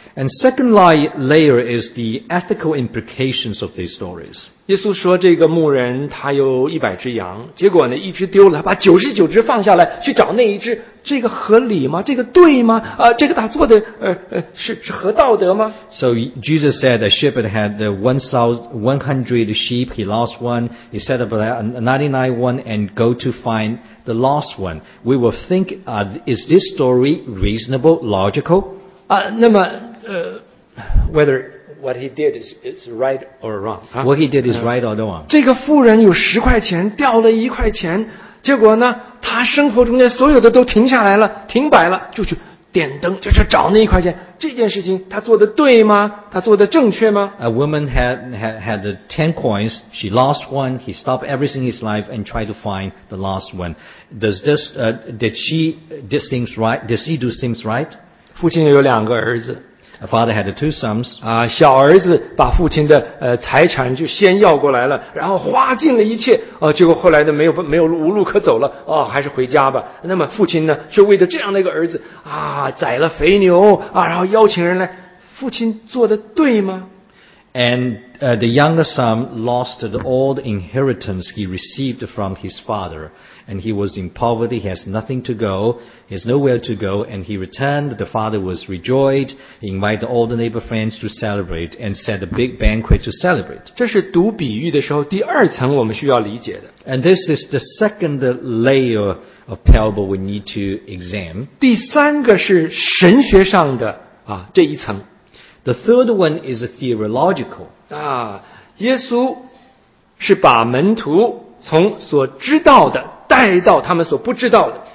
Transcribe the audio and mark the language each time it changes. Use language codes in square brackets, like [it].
[en] And second layer is the ethical implications of these stories. [zh] 耶稣说这个牧人他有一百只羊结果呢一只丢了他把九十九只放下来去找那一只。这个合理吗这个对吗这个他做的是合道德吗 [en] So Jesus said a shepherd had 100 sheep, he lost one, he set up a 99 one and go to find the lost one. We will think, is this story reasonable, logical? [zh] 那么 [en] whether what he did is right or wrong.、 Huh? What he did is right or wrong. [zh] 这个妇人有十块钱掉了一块钱结果呢他生活中间所有的都停下来了停摆了就去点灯就去找那一块钱这件事情他做的对吗他做的正确吗 [en] A woman had 10 coins, she lost one, he stopped everything in his life and tried to find the lost one. Did she do things right? [zh] 父亲有两个儿子。 [en] A father had two sons. [zh] 小儿子把父亲的财产就先要过来了然后花尽了一切结果后来呢没有无路可走了还是回家吧。那么父亲呢却为着这样的一个儿子宰了肥牛然后邀请人来。父亲做的对吗 [en] ?And, the younger son lost all the inheritance he received from his father. And he was in poverty, he has nothing to go. He has nowhere to go, and he returned. The father was rejoiced. He invited all the neighbor friends to celebrate and set a big banquet to celebrate. [zh] 这是读比喻的时候第二层我们需要理解的。 [en] And this is the second layer of parable we need to examine. [zh] 第三个是神学上的这一层。 [en] The third one is theological. [zh] 耶稣是把门徒从所知道的带到他们所不知道的。